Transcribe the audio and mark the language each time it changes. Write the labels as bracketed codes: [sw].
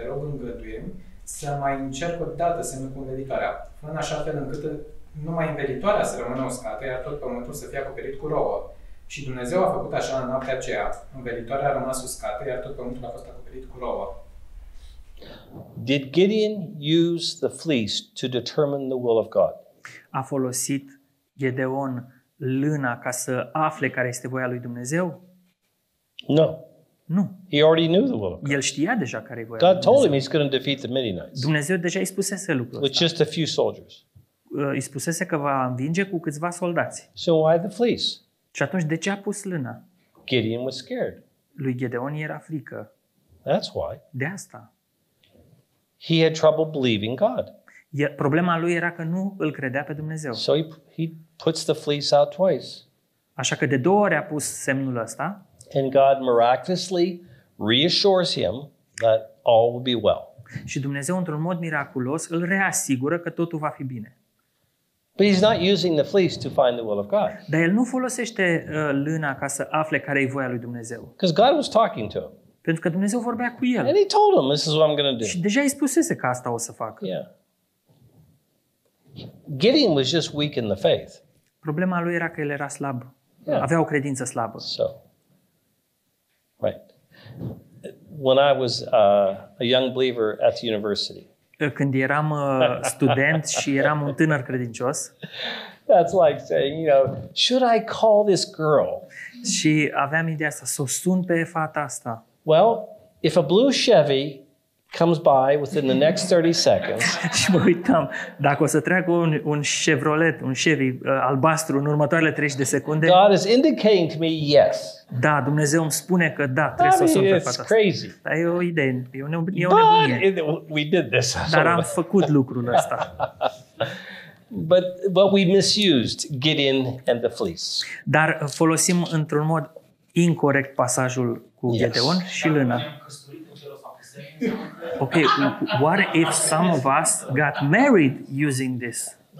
[ro] Te rog, îngăduie-mi să mai încerc o dată semnul cu învelitoarea. În așa fel încât numai învelitoarea să rămână uscată, iar tot pământul să fie acoperit cu rouă. Și Dumnezeu a făcut așa în noaptea aceea. Învelitoarea a rămas uscată, iar tot pământul a fost acoperit cu rouă. [en] Did Gideon use the fleece to determine the will of God? [ro] A folosit Gedeon lână ca să afle care este voia lui Dumnezeu? [en] No. [ro] Nu. [en] He already knew the will of God. [ro] El știa deja care e voia. [en] God told him he's going to defeat the Midianites. [ro] Dumnezeu deja îi spusese lucrul ăsta. [en] With just a few soldiers. [ro] Îi spusese că va învinge cu câțiva soldați. [en] So why the fleece? [ro] Și atunci de ce a pus lână? [en] Gideon was scared. [ro] Lui Gedeon era frică. [en] That's why. [ro] De asta. [en] He had trouble believing God. [ro] Problema lui era că nu îl credea pe Dumnezeu. [en] So he puts the fleece out twice. [ro] Așa că de două ori a pus semnul ăsta. [en] And God miraculously reassures him that all will be well. [ro] Și Dumnezeu într-un mod miraculos îl reasigură că totul va fi bine. [en] But he's not using the fleece to find the will of God. [ro] Dar el nu folosește lână ca să afle care e voia lui Dumnezeu. [en] Because God was talking to him. [ro] Pentru că Dumnezeu vorbea cu el. [en] And he told him, "This is what I'm going to do." [ro] Și deja îi spusese că asta o să facă. Yeah. [en] Gideon was just weak in the faith. [ro] Problema lui era că el era slab. Yeah. Avea o credință slabă. So. Right. [en] When I was a young believer at the university. [ro] Când eram student și eram un tânăr credincios. [en] That's like saying, you know, should I call this girl? [ro] Și aveam ideea asta, s-o sun pe fata asta. [en] Well, if a blue Chevy comes by within the next 30 seconds. [ro] Și mă uitam, dacă o să treacă un Chevrolet, un Chevy albastru în următoarele 30 de secunde. [en] God is indicating to me, yes. [ro] Da, Dumnezeu îmi spune că da, trebuie să o sun pe fata asta. [en] Crazy. [ro] Da, e o idee, e o nebunie. [en] We did this. [ro] Dar am făcut lucrul ăsta. [en] But we misused Gideon and the fleece. [ro] Dar folosim într-un mod incorrect pasajul cu Gedeon și lână. [en] Okay, what if some of us got married using this?